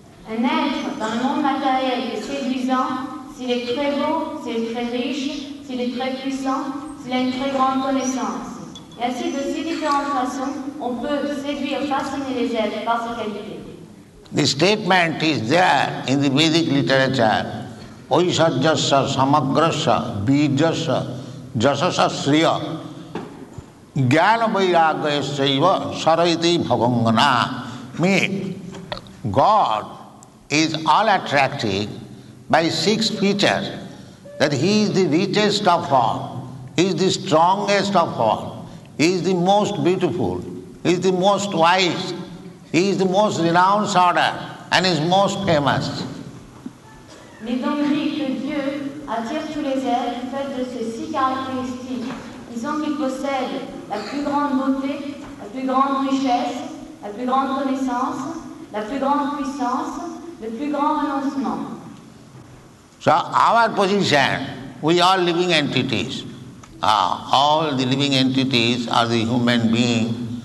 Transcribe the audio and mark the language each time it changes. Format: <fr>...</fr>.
<fr>Un être dans le monde matériel est séduisant s'il est très beau, s'il est très riche, s'il est très puissant, s'il a une très grande connaissance. Et ainsi, de ces différentes façons, on peut séduire, fasciner les êtres par ses qualités.</fr> <en>The statement is there in the Vedic literature.</en> <sa>Oishajasya samagrasya bijasya jasasya sriya jnana-vairagya-saiva sarayati bhavangana.</sa> <en>Meaning, God is all-attractive by six features. That He is the richest of all, He is the strongest of all, He is the most beautiful, He is the most wise, He is the most renowned order and is most famous.</en> <fr>Mais donc dit que Dieu attire tous les êtres du fait de ses six caractéristiques, disant qu'il possède la plus grande beauté, la plus grande richesse, la plus grande connaissance, la plus grande puissance, le plus grand renoncement.</fr> <en>So our position, we are living entities. All the living entities are the human beings.</en>